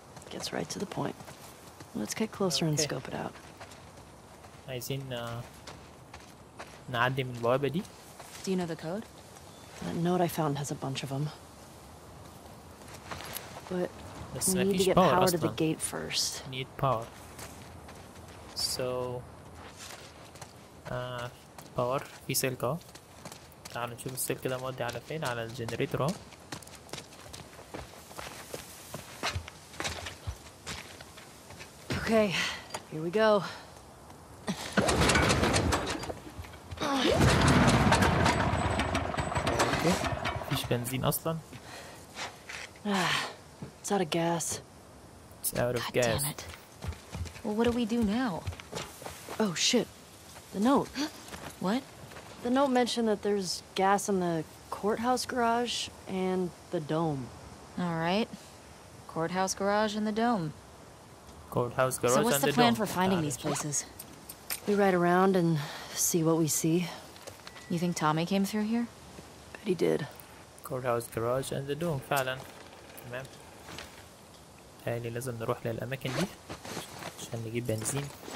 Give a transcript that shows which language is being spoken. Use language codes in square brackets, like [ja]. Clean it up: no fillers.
[en] Gets right to the point. Let's get closer okay. and scope it out. [ar] عايزين نعدي من البوابة دي. [en] Do you know the code? That note I found has a bunch of them. But [ar] بس [en] we need to get power to the gate first. Need power. So power [ar] في سلكة. تعال نشوف السلك ده مودي على فين. على الجنريتور. [en] Okay, here we go. [ar] Okay. مفيش بنزين اصلا. [en] It's out of gas. It's out of gas. Damn it. Well, what do we do now? Oh shit. The note. What? The note mentioned that there's gas in the courthouse garage and the dome. All right. Courthouse garage and the dome. Courthouse garage and the dome. So what's the plan for finding these places? We ride around and see what we see. You think Tommy came through here? Bet he did. Courthouse garage and the dome. [ar] فعلا. تمام. هالي لازم نروح للأماكن دي عشان نجيب بنزين.